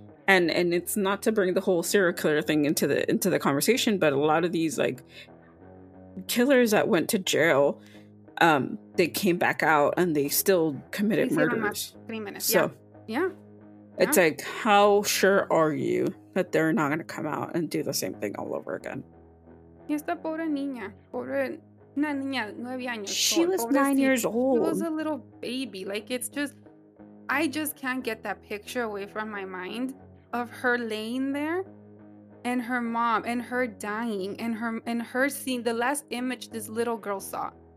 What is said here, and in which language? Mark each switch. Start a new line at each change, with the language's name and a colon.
English: And it's not to bring the whole serial killer thing into the conversation, but a lot of these, like, killers that went to jail, they came back out and they still committed murders. It's like, how sure are you that they're not going to come out and do the same thing all over again?
Spanish: Y esta pobre niña, una niña de 9 años.
English: She was 9 years old. She was a little baby. Like, it's just, I just can't get that picture away from my mind of her laying there and her mom and her dying and her seeing the last image this little girl saw.